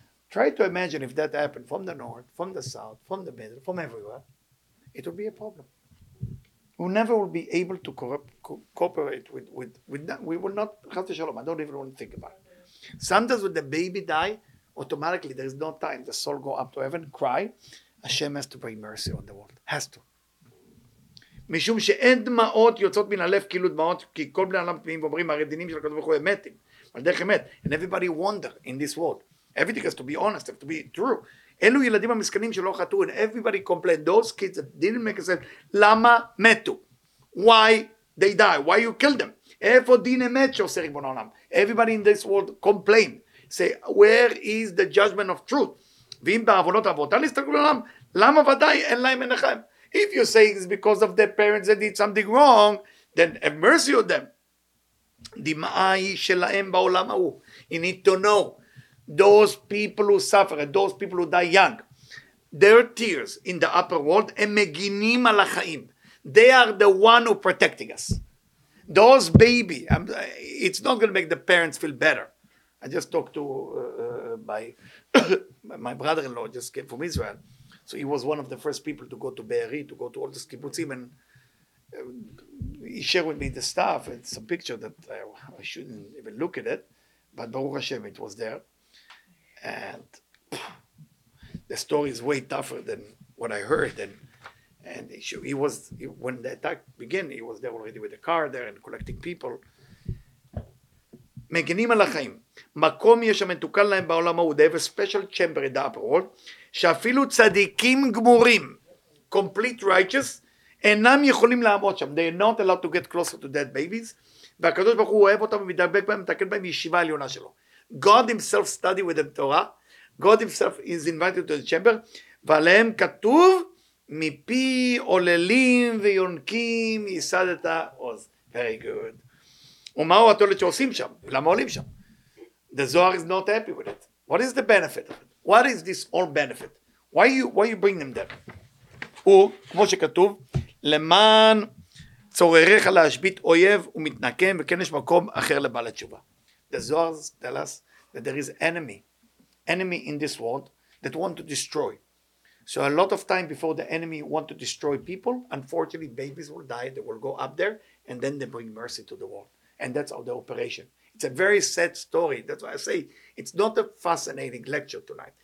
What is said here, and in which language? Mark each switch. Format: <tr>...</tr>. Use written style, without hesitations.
<en>Try to imagine if that happened from the north, from the south, from the middle, from everywhere, it would be a problem. We never will be able to cooperate with that. We will not, Chas v'Shalom, I don't even want to think about it. Sometimes when the baby die, automatically there is no time. The soul go up to heaven, cry. Hashem has to bring mercy on the world. Has to.</en> <he>משום שאין דמעות יוצאות מן הלב כאילו דמעות, כי כל בני אדם תמימים ואומרים, הרדינים של הקדוש ברוך הוא אמתים. על דרך אמת.</he> <en>And everybody wonder in this world. Everything has to be honest, has to be true.</en> <he>אלו ילדים המסכנים שלא חטאו,</he> <en>and everybody complained, those kids that didn't make a sense,</en> <he>למה מתו?</he> <en>Why they die? Why you kill them?</en> <he>איפה דין אמת שעושה ריבון העולם?</he> <en>Everybody in this world complained. Say, where is the judgment of truth?</en> <he>ואם בעוונות אבות, אל יסתכלו לעולם, למה ודאי אין להם מנחם?</he> <en>If you say it's because of their parents that did something wrong, then have mercy on them.</en> <he>דמעה היא שלהם בעולם ההוא.</he> <en>You need to know. Those people who suffer, and those people who die young, their tears in the upper world,</en> <he>הם מגינים על החיים.</he> <en>They are the one who protecting us. Those baby, it's not going to make the parents feel better. I just talked to my brother-in-law, just came from Israel. So he was one of the first people to go to Be'eri, to go to all the kibbutzim, and he shared with me the stuff, and some picture that I shouldn't even look at it, but Baruch Hashem, it was there. And the story is way tougher than what I heard. And he when the attack began, he was there already with the car there and collecting people.</en> <he>מגנים על החיים. מקום יש המתוקן להם בעולם ההוא.</he> <en>They have a special chamber in the upper world.</en> <he>שאפילו צדיקים גמורים,</he> <en>complete righteous,</en> <he>אינם יכולים לעמוד שם.</he> <en>They are not allowed to get closer to dead babies.</en> <he>והקדוש ברוך הוא אוהב אותם ומתדבק בהם, מתקן בהם ישיבה עליונה שלו.</he> <en>God himself study with them Torah. God himself is invited to the chamber.</en> <he>ועליהם כתוב, מפי עוללים ויונקים יסד את העוז.</he> <en>Very good.</en> <he>ומהו התועלת שעושים שם? למה עולים שם?</he> <en>The Zohar is not happy with it. What is the benefit of it? What is this all benefit? Why you bring them there?</en> <he>הוא, כמו שכתוב, למען צורריך להשבית אויב ומתנקם, וכן יש מקום אחר לבעל התשובה.</he> <en>The Zohar tell us that there is enemy in this world that want to destroy. So a lot of time before the enemy want to destroy people, unfortunately babies will die, they will go up there, and then they bring mercy to the world. And that's all the operation. It's a very sad story. That's why I say it's not a fascinating lecture tonight.</en>